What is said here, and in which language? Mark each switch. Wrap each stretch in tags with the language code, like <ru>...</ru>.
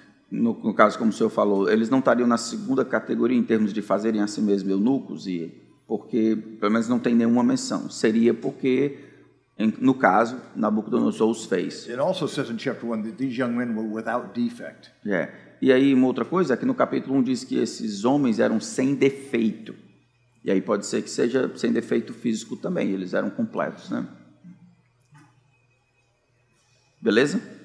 <pt>No caso, como o senhor falou, eles não estariam na segunda categoria em termos de fazerem a si mesmos eunucos, porque, pelo menos, não tem nenhuma menção. Seria porque, no caso, Nabucodonosor os fez.</pt> <en>It also says in chapter 1 that these young men were without defect.</en> <pt>E aí, uma outra coisa é que no capítulo 1 diz que esses homens eram sem defeito. E aí pode ser que seja sem defeito físico também, eles eram completos, né? Beleza?</pt>